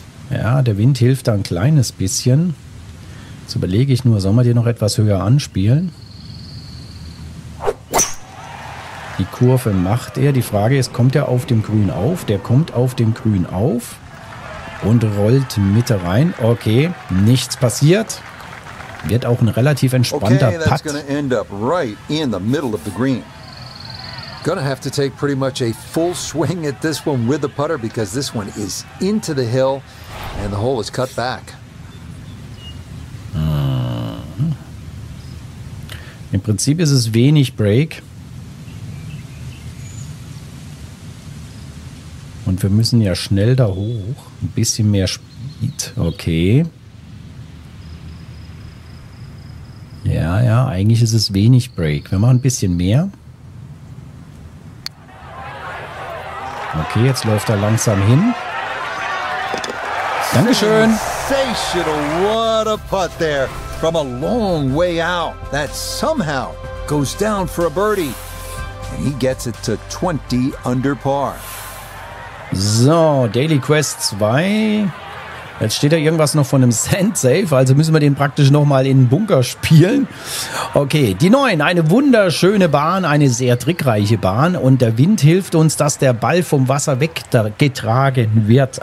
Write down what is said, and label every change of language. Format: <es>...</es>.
<de>Ja, der Wind hilft da ein kleines bisschen. Jetzt überlege ich nur, sollen wir den noch etwas höher anspielen? Die Kurve macht er. Die Frage ist, kommt er auf dem Grün auf? Der kommt auf dem Grün auf und rollt Mitte rein. Okay, nichts passiert. Wird auch ein relativ entspannter Putt.</de> <en>Okay, that's going to end up right in the middle of the green. Gonna have to take pretty much a full swing at this one with the putter, because this one is into the hill and the hole is cut back.</en> <de>Im Prinzip ist es wenig Break. Und wir müssen ja schnell da hoch. Ein bisschen mehr Speed. Okay. Ja, eigentlich ist es wenig Break. Wir machen ein bisschen mehr. Okay, jetzt läuft er langsam hin. Dankeschön.</de> <en>Sensational. What a putt there. From a long way out. That somehow goes down for a birdie. And he gets it to 20 under par.</en> <de>So, Daily Quest 2. Jetzt steht da irgendwas noch von einem Sand Safe, also müssen wir den praktisch nochmal in den Bunker spielen. Okay, die 9, eine wunderschöne Bahn, eine sehr trickreiche Bahn, und der Wind hilft uns, dass der Ball vom Wasser weggetragen wird.</de>